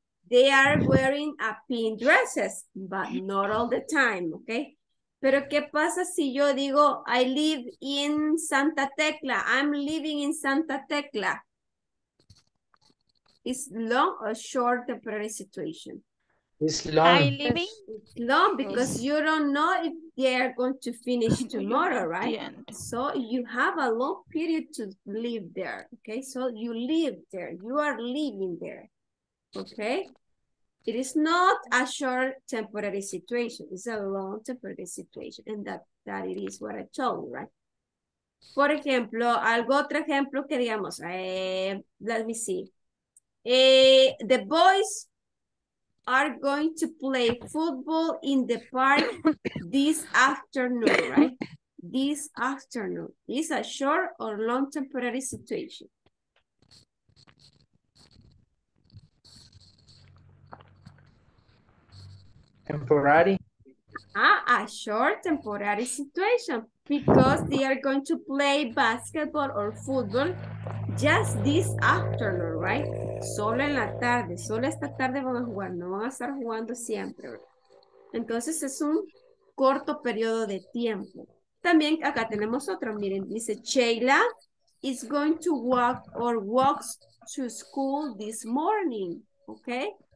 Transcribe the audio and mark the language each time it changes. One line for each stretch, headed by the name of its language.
English: They are wearing a pink dresses, but not all the time, okay?
Spanish: Pero ¿qué pasa si yo digo,
English: I live in Santa Tecla? I'm living in Santa Tecla. Is long or short temporary situation? It's long. I'm living? It's long because you don't know if they are going to finish tomorrow, right? So you have a long period to live there, okay? So you live there, you are living there. Okay, it is not a short temporary situation, it's a long temporary situation, and that it is what I told you, right?
Spanish: Por ejemplo, algo otro ejemplo que digamos,
English: let me see. The boys are going to play football in the park this afternoon, right? This afternoon is a short or long temporary situation. A short temporary situation because they are going to play basketball or football just this afternoon, right?
Spanish: Solo en la tarde, solo esta tarde van a jugar, no van a estar jugando siempre, ¿verdad? Entonces es un corto periodo de tiempo. También acá tenemos otro, miren, dice
English: Sheila is going to walk or walks to school this morning, okay?